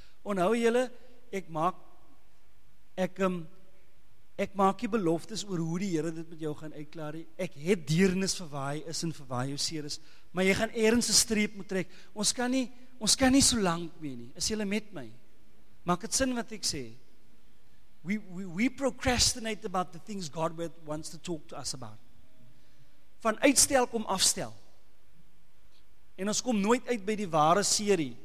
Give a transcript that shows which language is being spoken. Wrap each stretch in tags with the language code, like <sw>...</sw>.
<af>Onthou julle, ek maak die beloftes oor hoe die Here dit met jou gaan uitklaar. Ek het deernis vir waar hy is en vir waar jou seer is, maar jy gaan eers 'n streep moet trek. Ons kan nie so lank mee nie. Is julle met my? Maak dit sin wat ek sê?</af> <en>We procrastinate about the things God wants to talk to us about.</en> <af>Van uitstel kom afstel. En ons kom nooit uit by die ware serie.</af>